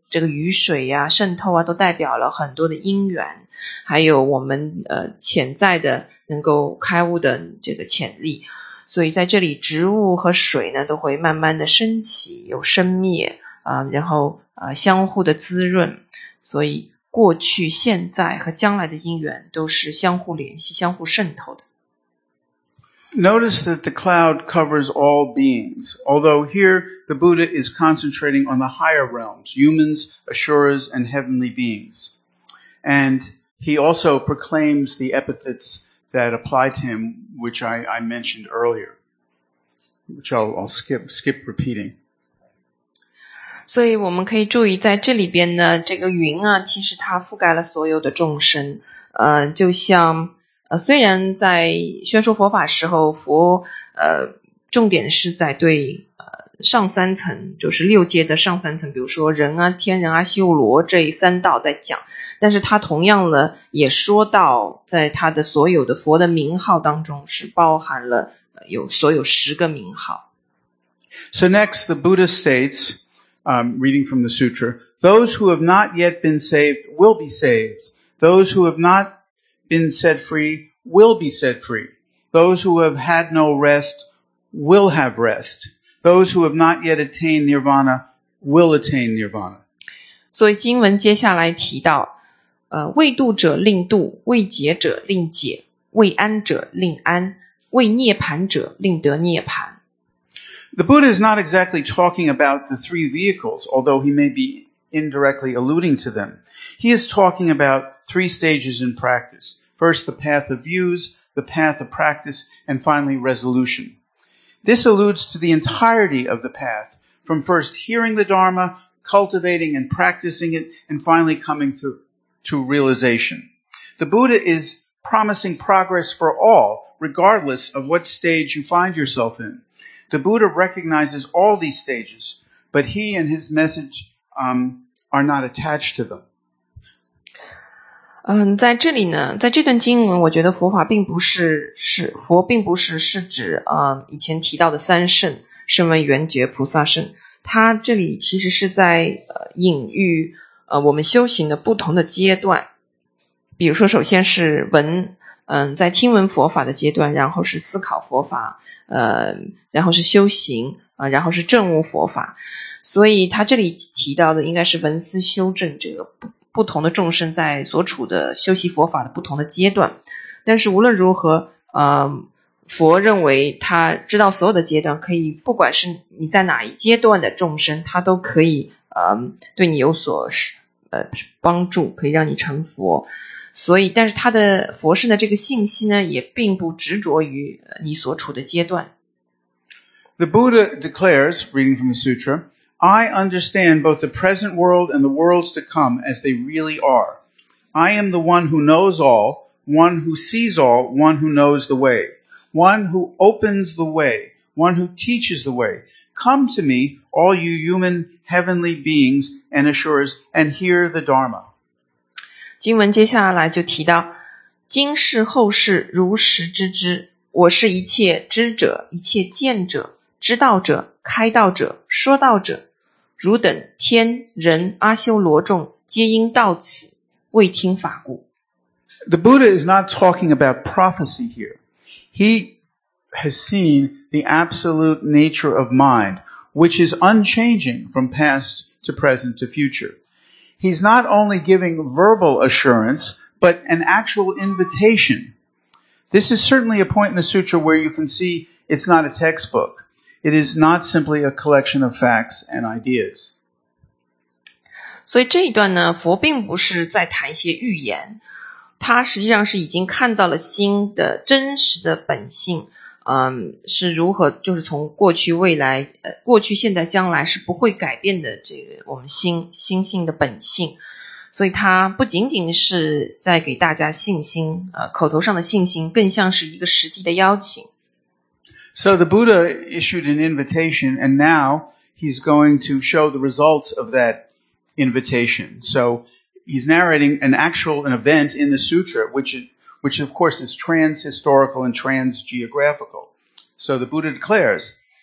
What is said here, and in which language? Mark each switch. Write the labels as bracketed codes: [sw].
[zh] 这个雨水啊渗透啊都代表了很多的因缘，还有我们潜在的能够开悟的这个潜力。所以在这里植物和水呢都会慢慢的升起有生灭然后相互的滋润，所以过去现在和将来的因缘都是相互联系相互渗透的。 [en] Notice that the cloud covers all beings, although here the Buddha is concentrating on the higher realms, humans, asuras, and heavenly beings. And he also proclaims the epithets that apply to him, which I mentioned earlier, which I'll skip repeating. [zh] 所以我们可以注意在这里边呢，这个云啊，其实它覆盖了所有的众生，就像虽然在宣说佛法时候佛重点是在对上三层，就是六阶的上三层，比如说人啊天人啊修罗这三道在讲，但是他同样的也说到在他的所有的佛的名号当中是包含了有所有十个名号。 [en] So next the Buddha states reading from the sutra, those who have not yet been saved will be saved, those who have notbeen set free will be set free. Those who have had no rest will have rest. Those who have not yet attained nirvana will attain nirvana. [zh] 所以经文接下来提到未度者令度，未解者令解，未安者令安，未涅槃者令得涅槃。 [en] The Buddha is not exactly talking about the three vehicles, although he may be indirectly alluding to them. He is talking aboutthree stages in practice. First, the path of views, the path of practice, and finally, resolution. This alludes to the entirety of the path, from first hearing the Dharma, cultivating and practicing it, and finally coming to realization. The Buddha is promising progress for all, regardless of what stage you find yourself in. The Buddha recognizes all these stages, but he and his message, are not attached to them. [zh] 在这里呢，在这段经文，我觉得佛法并不是佛并不是是指以前提到的三圣，声闻缘觉菩萨圣。他这里其实是在隐喻我们修行的不同的阶段，比如说首先是闻，在听闻佛法的阶段，然后是思考佛法，然后是修行然后是证悟佛法。所以他这里提到的应该是闻思修证这个不同的众生在所处的修习佛法的不同的阶段。但是无论如何佛认为他知道所有的阶段，可以不管是你在哪一阶段的众生，他都可以对你有所帮助，可以让你成佛。所以但是他的佛事的这个信息呢也并不执着于你所处的阶段。 [en] The Buddha declares, reading from the sutra,I understand both the present world and the worlds to come as they really are. I am the one who knows all, one who sees all, one who knows the way, one who opens the way, one who teaches the way. Come to me, all you human heavenly beings and assurers, and hear the Dharma. [zh] 经文接下来就提到，今世后世如实知之，我是一切知者，一切见者，知道者，开道者，说道者，如等天人阿修罗众皆因到此未听法故。 [en] The Buddha is not talking about prophecy here. He has seen the absolute nature of mind, which is unchanging from past to present to future. He's not only giving verbal assurance, but an actual invitation. This is certainly a point in the sutra where you can see it's not a textbook. It is not simply a collection of facts and ideas. [zh] 所以这一段呢，佛并不是在谈一些预言，他实际上是已经看到了心的真实的本性，是如何，就是从过去、未来、过去、现在、将来是不会改变的这个我们心性的本性。所以他不仅仅是在给大家信心，口头上的信心，更像是一个实际的邀请。 [en] So the Buddha issued an invitation, and now he's going to show the results of that invitation. So he's narrating an event in the sutra, which of course is trans-historical and trans-geographical. So the Buddha declares,